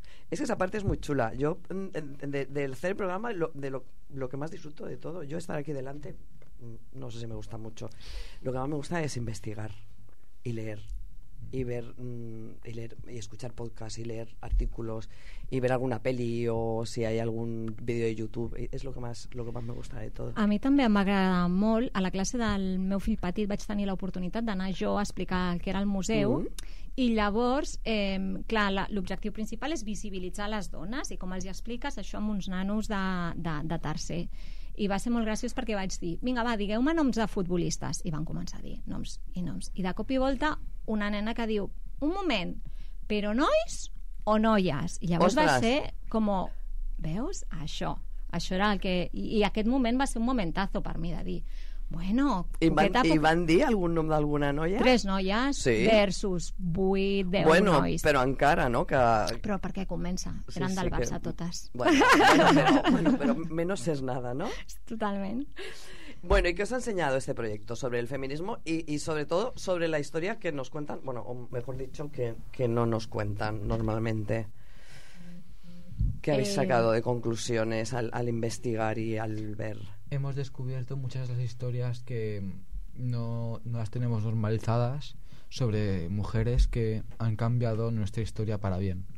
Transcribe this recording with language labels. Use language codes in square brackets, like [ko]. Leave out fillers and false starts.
[es] Es que esa parte es muy chula. Yo, del hacer el programa, lo que más disfruto de todo, yo estar aquí delante... no sé si me gusta mucho. Lo que más me gusta es investigar y leer. Y ver, y leer y escuchar podcasts y leer artículos y ver alguna peli o si hay algún vídeo de YouTube. És lo que más me gusta de tot. [ca] A mi també em va agradar molt. A la classe del meu fill petit vaig tenir l'oportunitat d'anar jo a explicar el que era el museu. I llavors, clar, l'objectiu principal és visibilitzar les dones i com els hi expliques això amb uns nanos de tercer. I va ser molt graciós perquè vaig dir, vinga, va, digueu-me noms de futbolistes. I van començar a dir noms i noms. I de cop i volta, una nena que diu, un moment, però nois o noies? I llavors ostres, va ser com, veus, això. Això era el que... I aquest moment va ser un momentazo per mi de dir, bueno... I van dir algun nom d'alguna noia? Tres noies, sí. Versus 8, 10, bueno, nois. Però encara, no? Que... Però perquè comença. Eren, sí, del Barça, que... totes. Bueno, però menys és nada, no? Totalment. [es] Bueno, ¿y qué os ha enseñado este proyecto sobre el feminismo y sobre todo sobre la historia que nos cuentan? Bueno, o mejor dicho, que no nos cuentan normalmente. ¿Qué habéis sacado de conclusiones al investigar y al ver? Hemos descubierto muchas de las historias que no las tenemos normalizadas sobre mujeres que han cambiado nuestra historia para bien.